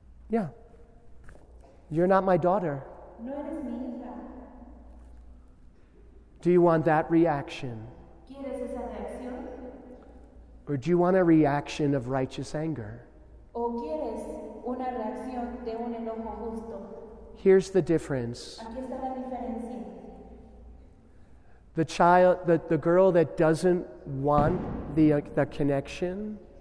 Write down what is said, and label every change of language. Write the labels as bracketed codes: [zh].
[en] Yeah. You're not my daughter. [es] No eres mi hija. [en] Do you want that reaction? [es] ¿Quieres esa reacción? [en] Or do you want a reaction of righteous anger? [es] ¿O quieres una reacción de un enojo justo? [en] Here's the difference. [es] Aquí está la diferencia. [en] The child, the girl that doesn't want the connection,